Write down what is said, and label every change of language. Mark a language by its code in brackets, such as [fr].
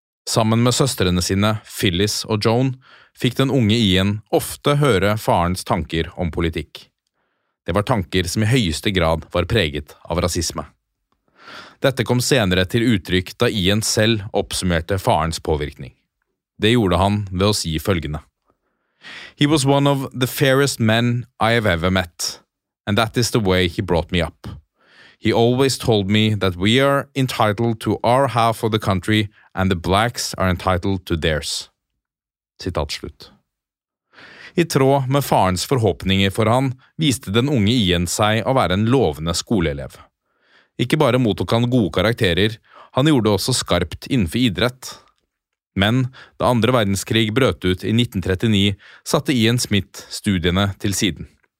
[no] Sammen med søstrene sine, Phyllis og Joan, fikk den unge Ian ofte høre farens tanker om politikk. Det var tanker som i høyeste grad var preget av rasisme. Dette kom senere til uttrykk da Ian selv oppsummerte farens påvirkning. Det gjorde han ved å si følgende. [en] «He was one of the fairest men I have ever met, and that is the way he brought me up. He always told me that we are entitled to our half of the country, and the blacks are entitled to theirs.» [no] Sitat slutt. I tråd med farens forhåpninger for han, viste den unge Ian seg å være en lovende skoleelev. Ikke bare mottok han gode karakterer, han gjorde også skarpt innenfor idrett. Men da andre verdenskrig brøt ut i 1939, satte Ian Smith studiene til siden.